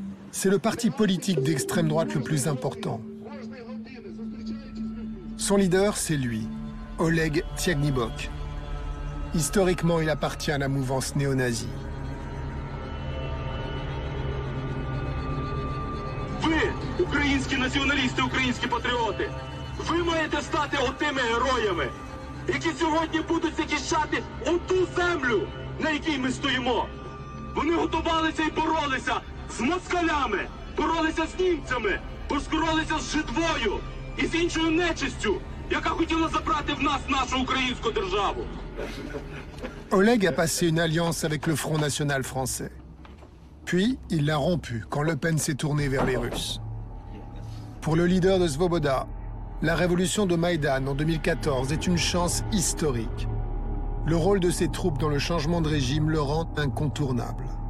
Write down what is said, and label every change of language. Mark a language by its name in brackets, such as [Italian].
[French] C'est le parti politique d'extrême droite le plus important. Son leader, c'est lui, Oleg Tiagnibok. Historiquement, il appartient à la mouvance néo-nazie. [Ukrainian] Ви, українські націоналісти, українські патріоти, ви маєте стати отими героями, які сьогодні будуть захищати оту землю, на якій ми стоїмо. Вони готувалися і боролися з москалями, боролися з німцями, поскоролися з жидвою і з іншою нечистю, яка хотіла забрати в нас нашу українську державу. [French] Олег a passé une alliance avec le Front National français. Puis, il l'a rompu quand Le Pen s'est tourné vers les Russes. Pour le leader de Svoboda, la révolution de Maïdan en 2014 est une chance historique. Le rôle de ses troupes dans le changement de régime le rend incontournable.